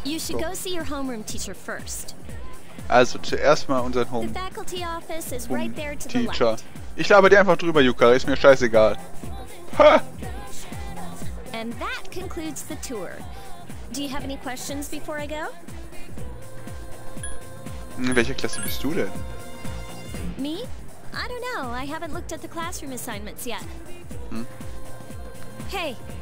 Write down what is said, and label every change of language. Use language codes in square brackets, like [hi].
[en] You should go see your homeroom teacher first. [de] Also, zuerst mal unseren Homeroom-Teacher. Ich labere dir einfach drüber, Yuka, ist mir scheißegal. Ha! [en] And that concludes the tour. Do you have any questions before I go? [de] In welcher Klasse bist du denn? [en] Me? I don't know. I haven't looked at the classroom assignments yet. Hey.